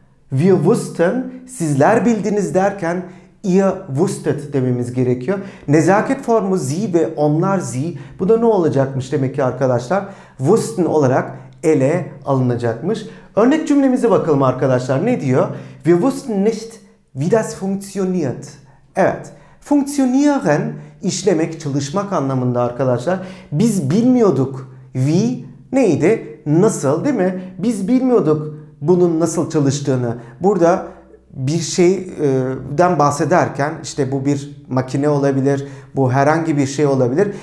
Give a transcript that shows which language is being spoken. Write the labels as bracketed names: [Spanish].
[German] Wir wussten, [Turkish] sizler bildiniz derken [German] ihr wusstet [Turkish] dememiz gerekiyor. Nezaket formu sie ve onlar sie. Bu da ne olacakmış demek ki arkadaşlar? Wussten olarak ele alınacakmış. Örnek cümlemize bakalım arkadaşlar. Ne diyor? [German] Wir wussten nicht, wie das funktioniert. [Turkish] Evet. Funktionieren, işlemek, çalışmak anlamında arkadaşlar. Biz bilmiyorduk. Wie neydi? Nasıl değil mi? Biz bilmiyorduk. Bunun nasıl çalıştığını burada bir şeyden bahsederken işte bu bir makine olabilir, bu herhangi bir şey olabilir.